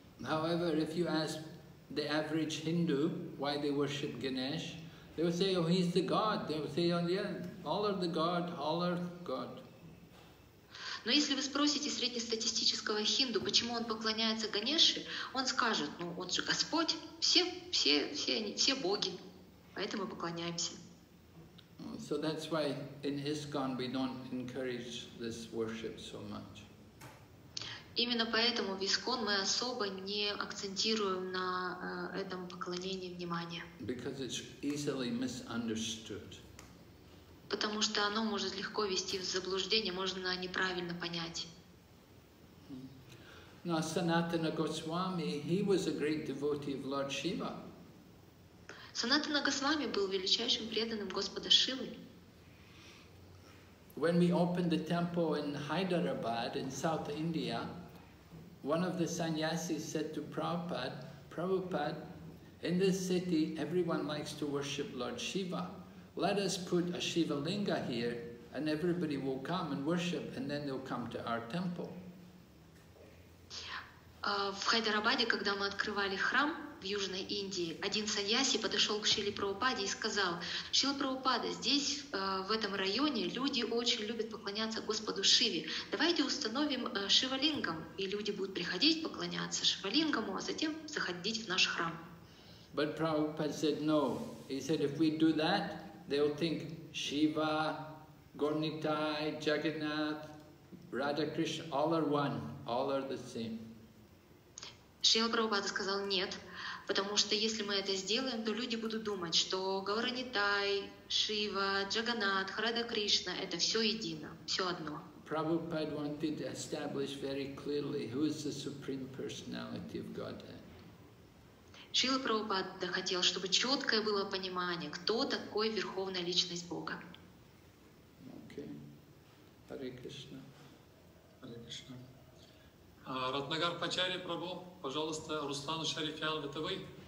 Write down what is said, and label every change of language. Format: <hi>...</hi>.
<en>However, if you ask the average Hindu, why they worship Ganesh, they would say, oh, he's the God. They would say, oh, yeah, all are the God, all are God.</en> <ru>Но если вы спросите среднестатистического хинду, почему он поклоняется Ганеше, он скажет, ну, он же Господь, все боги, поэтому поклоняемся.</ru> <en>So that's why in ISKCON we don't encourage this worship so much.</en> <ru>Именно поэтому в ИСККОН мы особо не акцентируем на этом поклонении внимания.</ru> <en>Because it's easily misunderstood.</en> <ru>Потому что оно может легко вести в заблуждение, можно неправильно понять.</ru> <en>Now, Sanatana Goswami, he was a great devotee of Lord Shiva.</en> <ru>Sanatana Goswami был величайшим преданным Господа Шивы.</ru> <en>When we opened the temple in Hyderabad in South India, one of the sannyasis said to Prabhupada, Prabhupada, in this city everyone likes to worship Lord Shiva. Let us put a Shiva Linga here and everybody will come and worship and then they'll come to our temple.</en> <ru>В Хайдарабаде, когда мы открывали храм в Южной Индии, один саньяси подошел к Шриле Прабхупаде и сказал, Шрила Прабхупада, здесь, в этом районе, люди очень любят поклоняться Господу Шиве. Давайте установим Шивалингам, и люди будут приходить поклоняться Шивалингаму, а затем заходить в наш храм.</ru> <en>But Prabhupada said no. He said, if we do that, they'll think Shiva, Gornitai, Jagannath, Radha Krishna, all are one, all are the same.</en> <ru>Шрила Прабхупада сказал, нет, Потому что если мы это сделаем, то люди будут думать, что Гауранитай, Шива, Джаганат, Харада Кришна — это все едино, все одно.</ru> <en>Prabhupada wanted to establish very clearly who is the Supreme Personality of Godhead.</en> <ru>Шрила Прабхупада хотел, чтобы четкое было понимание, кто такой Верховная Личность Бога.</ru> <en>Okay. Hare Krishna. Hare Krishna.</en> <ru>Ратнагар Пачари Прабху, пожалуйста, Руслан Шарифян, это вы?</ru>